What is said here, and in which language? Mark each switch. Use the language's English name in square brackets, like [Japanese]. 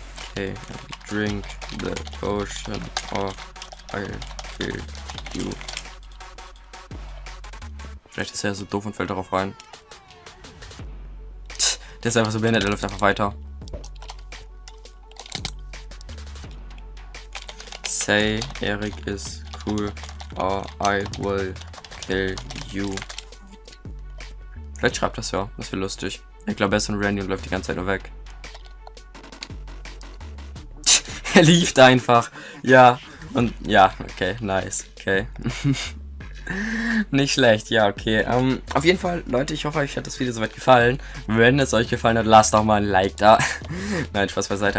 [English] Okay, drink the potion or I'll kill. [German] Vielleicht ist er so doof und fällt darauf rein. Der ist einfach so behindert, der läuft einfach weiter. [English] Say, Eric is cool, I will kill you. [German] Vielleicht schreibt das ja, das wäre lustig. Ich glaube, er ist ein Randy und läuft die ganze Zeit nur weg. Er lief da einfach. Ja. Und ja, okay, nice, okay. Nicht schlecht, ja, okay. Auf jeden Fall, Leute, ich hoffe, euch hat das Video soweit gefallen. Wenn es euch gefallen hat, lasst doch mal ein Like da. Nein, Spaß beiseite.